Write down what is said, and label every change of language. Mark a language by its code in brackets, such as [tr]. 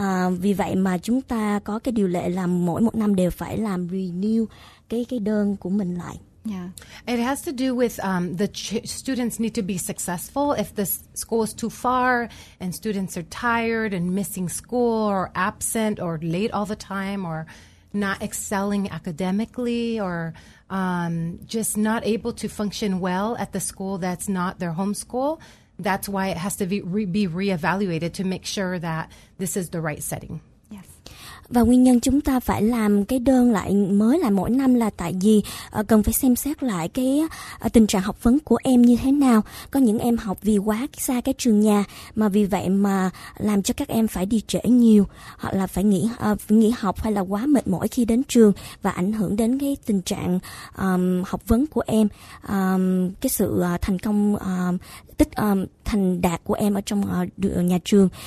[vi] Vì vậy mà chúng ta có cái điều lệ là mỗi một năm đều phải làm renew cái đơn của mình lại. [en] Yeah, it has to do with students need to be successful. If the school is too far and students are tired and missing school or absent or late all the time or not excelling academically or just not able to function well at the school that's not their home school, that's why it has to be reevaluated to make sure that this is the right setting. [vi] Và nguyên nhân chúng ta phải làm cái đơn lại mới lại mỗi năm là tại vì cần phải xem xét lại cái tình trạng học vấn của em như thế nào. Có những em học vì quá xa cái trường nhà mà vì vậy mà làm cho các em phải đi trễ nhiều hoặc là phải nghỉ học hay là quá mệt mỏi khi đến trường và ảnh hưởng đến cái tình trạng học vấn của em, cái sự thành công thành đạt của em ở trong nhà trường.